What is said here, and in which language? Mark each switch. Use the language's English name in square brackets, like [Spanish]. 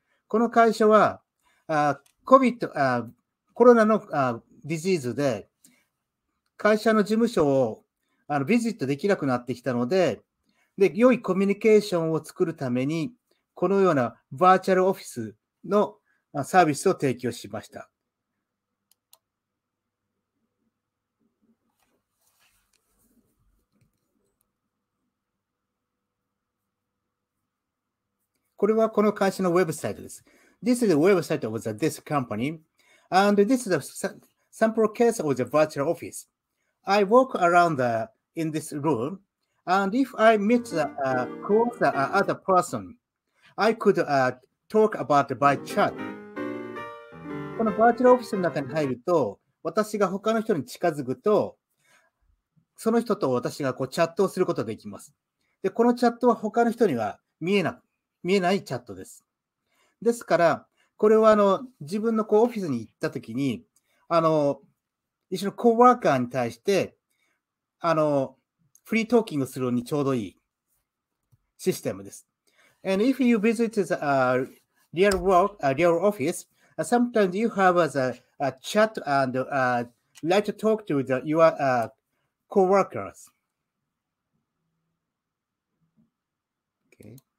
[Japanese] この会社は、COVID、コロナの、ディジーズで、会社の事務所をビジットできなくなってきたので、で、良いコミュニケーションを作るために、このようなバーチャルオフィスのサービスを提供しました。これはこの会社のウェブサイトです。 [English] This is the website of this company. And this is a sample case of the virtual office. I walk around the, in this room. And if I meet the close other person, I could talk about by chat. [Japanese] このバーチャルオフィスの中に入ると、私が他の人に近づくと、その人と私がこうチャットをすることができます。で、このチャットは他の人には見えないチャットです。ですから、これは自分のこうオフィスに行ったときに、一緒のコーワーカーに対して、フリートーキングするのにちょうどいいシステムです。 [English] And if you visit the real work, real office, sometimes you have a chat and like to talk to your co-workers. Okay.